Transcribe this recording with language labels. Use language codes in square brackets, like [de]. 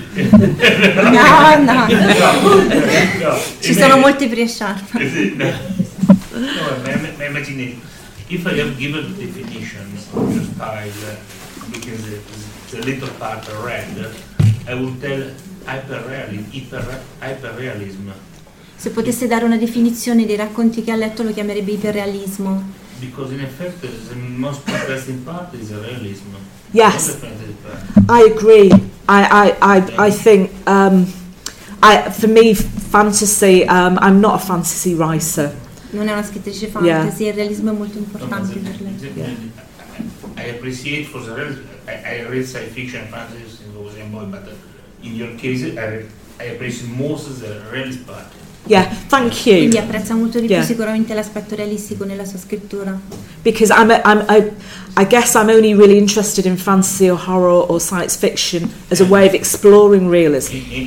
[en] No. [it] Ci sono molti Priya Sharma. [en] No, I imagine if I have given the definition of your style, because the little part red, I will tell hyperrealism. [it] Se potesse dare una definizione dei racconti che ha letto, lo chiamerebbe iperrealismo. [en] Because in effect the most interesting part is realism. Yes. I agree. I think for me fantasy, I'm not a fantasy writer. [it] Non è una scrittrice fantasy, yeah. Il realismo è molto importante per lei. [en] Yeah. I appreciate for the realism. I read science fiction fantasy since I was a boy, but in your case I appreciate most the realist part. Yeah, thank you. [it] Quindi apprezza molto di più sicuramente l'aspetto realistico nella sua scrittura. [en] Because I guess I'm only really interested in fantasy or horror or science fiction as a way of exploring realism.